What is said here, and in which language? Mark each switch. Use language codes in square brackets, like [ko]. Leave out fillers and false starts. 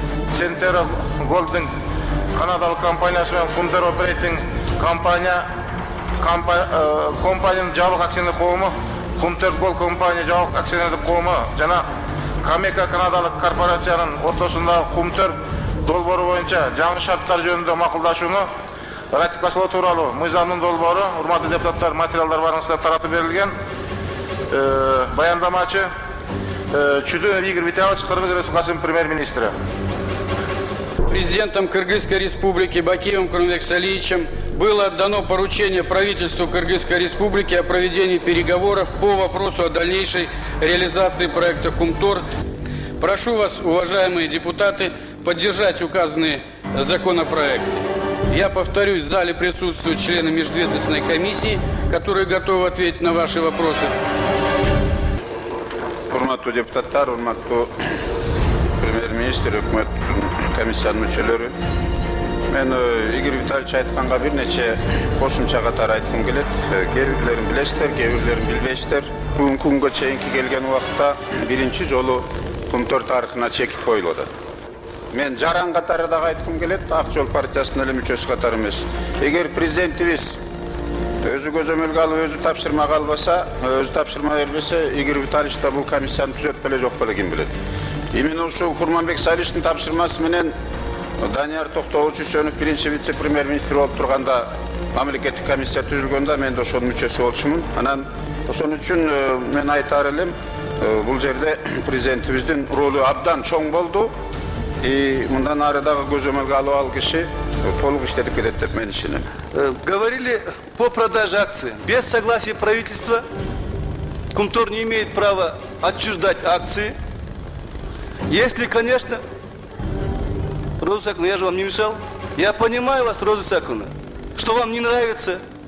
[ky] Сентеро Голдинг канадалык компаниясы менен Фундер Оперейтинг компаниянын жабык акционер коому, Фундер Голд компания жабык акционердик коому жана Камека канадалык корпорациянын ортосундагы Фундер долбоору боюнча жаңы шарттар жөнүндө макулдашууну ратификациялоо тууралуу мыйзамдын долбоору, урматтуу депутаттар, материалдар барыңызга таратып берилген. Баяндамачы Чудынов Игорь Витальевич, Кыргыз Республикасынын премьер-министри. [ru] Президентом Кыргызской Республики Бакиевым Курманбек Салиевичем было отдано поручение правительству Кыргызской Республики о проведении переговоров по вопросу о дальнейшей реализации проекта «Кумтор». Прошу вас, уважаемые депутаты, поддержать указанные законопроекты. Я повторюсь, в зале присутствуют члены межведомственной комиссии, которые готовы ответить на ваши вопросы. [ky] Урматтуу депутаттар, урматтуу премьер-министр, өкмөт комиссиянын мүчөлөрү. Мен Игорь Витальевич айтканга бир нече кошумча катары айткым келет. Кээ бирлерин билесиздер, кээ бирлерин билбейсиздер. Бүгүнкү күнгө чейинки келген убакта биринчи жолу Кумтор тарыхына чекит коюлуп атат. Мен жаран катары дагы айткым келет, Ак жол партиясынын эле мүчөсү катары эмес. Эгер президентибиз өзү көзөмөлгө алып, өзү тапшырмага албаса, өзү тапшырма бербесе, Игорь Витальевич да бул комиссияны түзөт беле, жок беле, ким билет. Именно ушул Курманбек Салиевичтин тапшырмасы менен Данияр Токтогулович Үсөнов биринчи вице премьер-министр болуп турганда мамлекеттик комиссия түзүлгөндө мен да ошонун мүчөсү болчумун. Анан ошон үчүн мен айтаар элем, бул жерде президентибиздин ролу абдан чоң болду. И мындан ары дагы көзөмөлгө алып ал киши толук иштетип келет деп мен ишенем. [ru] Говорили по продаже акций. Без согласия правительства Кумтор не имеет права отчуждать акции. Если, конечно, Роза Исаковна, я же вам не мешал. Я понимаю вас, Роза Исаковна, что вам не нравится.